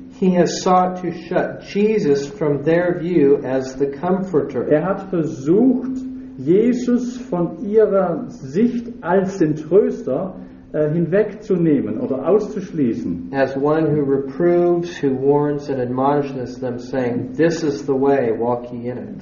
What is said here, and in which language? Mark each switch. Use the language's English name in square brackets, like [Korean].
[English] He has sought to shut Jesus from their view as the comforter. [German] Er hat versucht, Jesus von ihrer Sicht als den Tröster hinwegzunehmen oder auszuschließen. [English] As one who reproves, who warns and admonishes them, saying, "This is the way, walk ye in it."